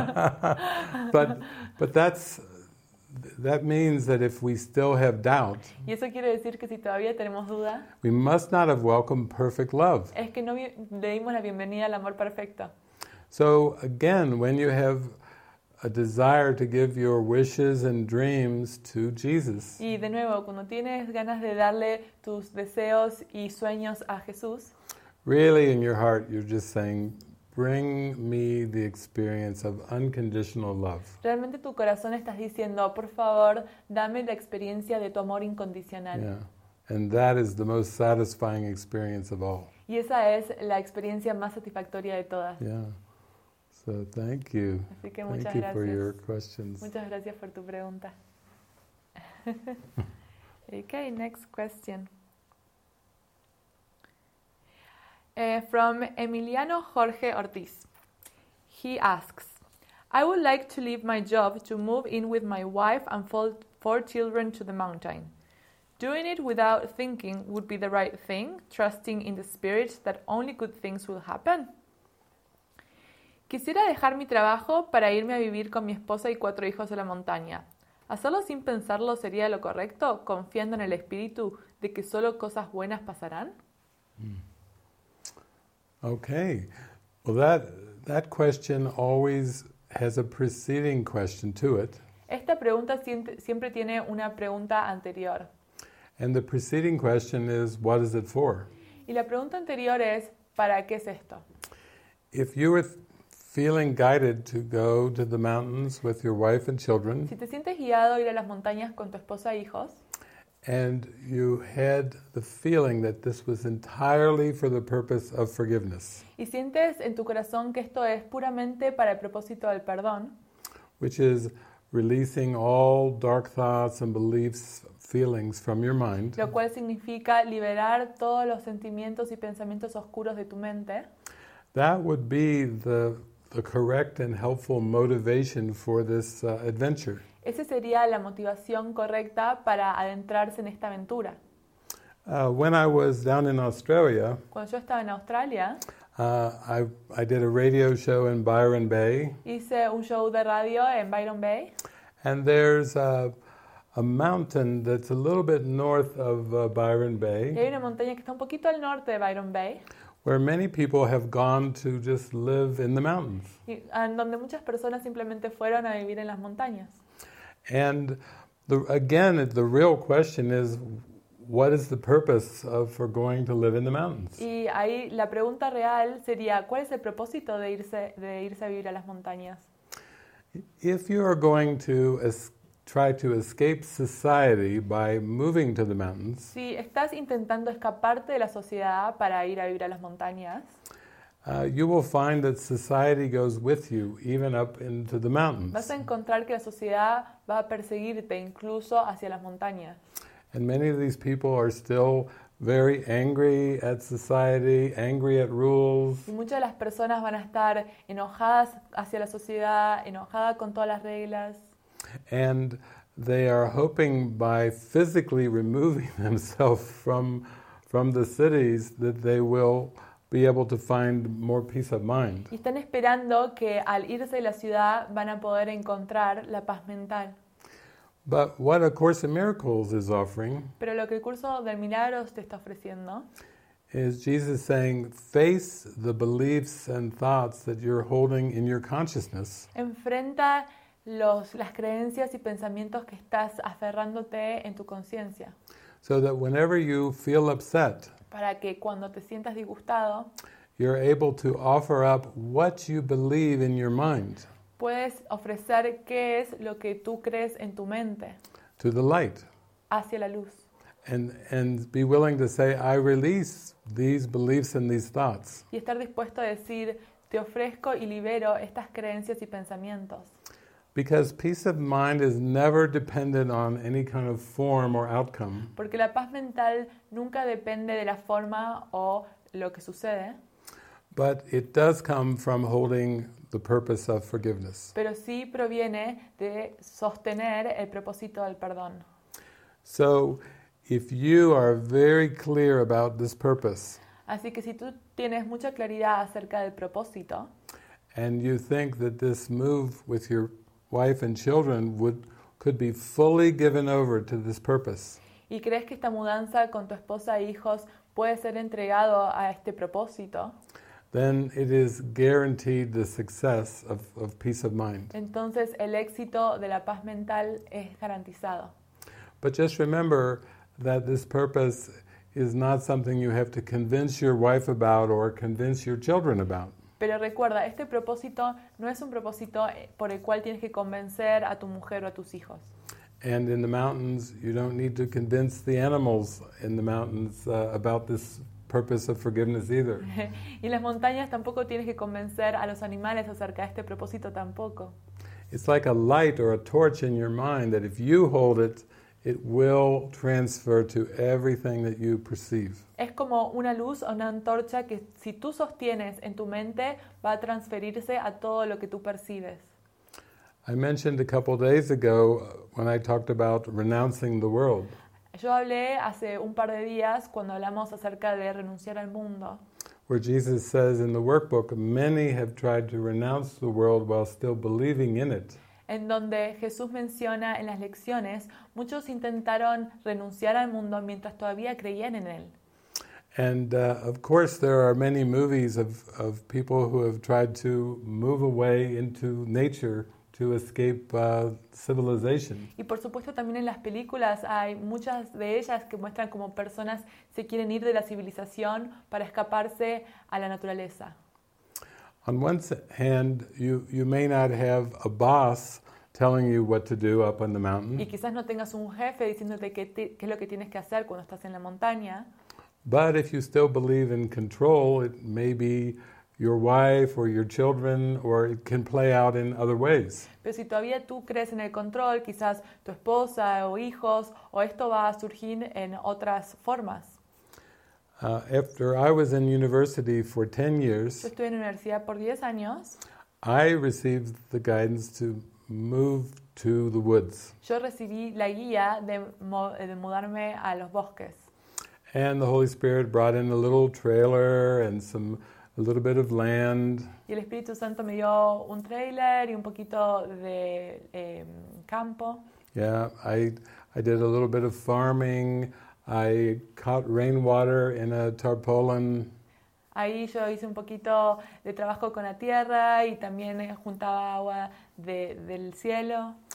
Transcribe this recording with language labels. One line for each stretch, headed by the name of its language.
English: but that means that if we still have doubt.
Spanish: Y eso quiere decir que si todavía tenemos duda.
English: We must not have welcomed perfect love.
Spanish: Es que no le dimos la bienvenida al amor perfecto.
English: So again, when you have a desire to give your wishes and dreams to Jesus.
Spanish: Y de nuevo, cuando tienes ganas de darle tus deseos y sueños a Jesús.
English: Really in your heart you're just saying, bring me the experience of unconditional love.
Spanish: Realmente tu corazón estás diciendo, por favor, dame la experiencia de tu amor incondicional. Yeah.
English: And that is the most satisfying experience of all.
Spanish: Y esa es la experiencia más satisfactoria de todas.
English: Yeah. So thank you.
Spanish: Así que
English: thank
Spanish: muchas
English: you
Spanish: gracias.
English: For your questions.
Spanish: Muchas gracias por tu pregunta.
English: Okay, next question. From Emiliano Jorge Ortiz. He asks, I would like to leave my job to move in with my wife and four children to the mountain. Doing it without thinking would be the right thing, trusting in the spirit that only good things will happen.
Spanish: Quisiera dejar mi trabajo para irme a vivir con mi esposa y cuatro hijos a la montaña. ¿Hacerlo sin pensarlo sería lo correcto, confiando en el espíritu de que solo cosas buenas pasarán?
English: Okay. Well, that question always has a preceding question to it.
Spanish: Esta pregunta siempre tiene una pregunta anterior.
English: And the preceding question is, what is it for?
Spanish: Y la pregunta anterior es, ¿para qué es esto?
English: If you were feeling guided to go to the mountains with your wife and children.
Spanish: Si te sientes guiado a ir a las montañas con tu esposa e hijos.
English: And you had the feeling that this was entirely for the purpose of forgiveness.
Spanish: Y sientes en tu corazón que esto es puramente para el propósito del perdón.
English: Which is releasing all dark thoughts and beliefs, feelings from your mind.
Spanish: Lo cual significa liberar todos los sentimientos y pensamientos oscuros de tu mente.
English: That would be the correct and helpful motivation for this adventure.
Spanish: Esa sería la motivación correcta para adentrarse en esta aventura.
English: When I was down in Australia,
Spanish: cuando yo estaba en Australia,
English: I did a radio show in Byron Bay.
Spanish: Hice un show de radio en Byron Bay.
English: And there's a mountain that's a little bit north of Byron Bay.
Spanish: Y hay una montaña que está un poquito al norte de Byron Bay.
English: Where many people have gone to just live in the mountains.
Spanish: Y donde muchas personas simplemente fueron a vivir en las montañas.
English: And the real question is, what is the purpose for going to live in the mountains?
Spanish: Y ahí la pregunta real sería, ¿cuál es el propósito de irse a vivir a las montañas?
English: If you are going to try to escape society by moving to the mountains.
Spanish: Si estás intentando escaparte de la sociedad para ir a vivir a las montañas.
English: You will find that society goes with you even up into the mountains.
Spanish: Vas a encontrar que la sociedad va a perseguirte incluso hacia las montañas.
English: And many of these people are still very angry at society, angry at rules.
Spanish: Y muchas de las personas van a estar enojadas hacia la sociedad, enojadas con todas las reglas.
English: And they are hoping by physically removing themselves from the cities that they will be able to find more peace of mind.
Spanish: Y están esperando que al irse de la ciudad van a poder encontrar la paz mental.
English: But what A Course in Miracles is offering,
Spanish: pero lo que el curso de milagros te está ofreciendo,
English: is Jesus saying, face the beliefs and thoughts that you're holding in your consciousness.
Spanish: Enfrenta las creencias y pensamientos que estás aferrándote en tu conciencia.
English: So that whenever you feel upset,
Spanish: para que cuando te sientas disgustado,
English: you're able to offer up what you believe in your mind.
Spanish: Puedes ofrecer qué es lo que tú crees en tu mente.
English: To the light.
Spanish: Hacia la luz.
English: And be willing to say, I release these beliefs and these thoughts.
Spanish: Y estar dispuesto a decir, te ofrezco y libero estas creencias y pensamientos.
English: Because peace of mind is never dependent on any kind of form or outcome.
Spanish: Porque la paz mental nunca depende de la forma o lo que sucede.
English: But it does come from holding the purpose of forgiveness.
Spanish: Pero sí proviene de sostener el propósito del perdón.
English: So, if you are very clear about this purpose,
Spanish: así que si tú tienes mucha claridad acerca del propósito,
English: and you think that this move with your wife and children could be fully given over to this purpose,
Spanish: y crees que esta mudanza con tu esposa e hijos puede ser entregado a este propósito,
English: then it is guaranteed the success of peace of mind.
Spanish: Entonces, el éxito de la paz mental es garantizado.
English: But just remember that this purpose is not something you have to convince your wife about or convince your children about.
Spanish: Pero recuerda, este propósito no es un propósito por el cual tienes que convencer a tu mujer o a tus hijos.
English: And in the mountains, you don't need to convince the animals in the mountains about this purpose of forgiveness either.
Spanish: Y en las montañas tampoco tienes que convencer a los animales acerca de este propósito tampoco.
English: It's like a light or a torch in your mind that if you hold it, it will transfer to everything that you perceive.
Spanish: Es como una luz o una antorcha que si tú sostienes en tu mente va a transferirse a todo lo que tú percibes.
English: I mentioned a couple of days ago when I talked about renouncing the world.
Spanish: Yo hablé hace un par de días cuando hablamos acerca de renunciar al mundo.
English: Where Jesus says in the workbook, many have tried to renounce the world while still believing in it.
Spanish: En donde Jesús menciona en las lecciones, muchos intentaron renunciar al mundo mientras todavía creían en él.
English: And of course there are many movies of people who have tried to move away into nature to escape civilization.
Spanish: Y por supuesto también en las películas hay muchas de ellas que muestran como personas se quieren ir de la civilización para escaparse a la naturaleza.
English: On one hand, you may not have a boss telling you what to do up on the mountain.
Spanish: Y quizás no tengas un jefe diciéndote qué es lo que tienes que hacer cuando estás en la montaña.
English: But if you still believe in control, it may be your wife or your children, or it can play out in other ways.
Spanish: Pero si todavía tú crees en el control, quizás tu esposa o hijos, o esto va a surgir en otras formas.
English: After I was in university for 10 years,
Spanish: yo estuve en universidad por 10 años,
English: I received the guidance to move to the woods.
Spanish: Yo recibí la guía de mudarme a los bosques.
English: And the Holy Spirit brought in a little trailer and a little bit of land.
Spanish: Y el Espíritu Santo me dio un trailer y un poquito de campo.
English: Yeah, I did a little bit of farming. I caught rainwater in a tarpaulin.
Spanish: Ahí yo hice un poquito de trabajo con la tierra y también juntaba agua del cielo.